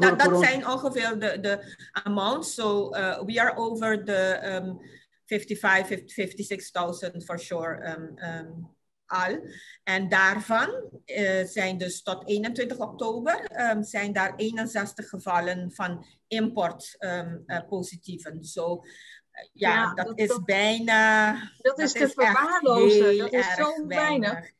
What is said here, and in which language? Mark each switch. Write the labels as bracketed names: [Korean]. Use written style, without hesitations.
[Dutch] dat so zijn ongeveer de amounts. [English] So we are over the 56,000 for sure al. [Dutch] En daarvan zijn dus tot 21 oktober zijn daar 61 gevallen van import positieven. So dat is bijna. Dat is te verwaarlozen. Dat is zo weinig.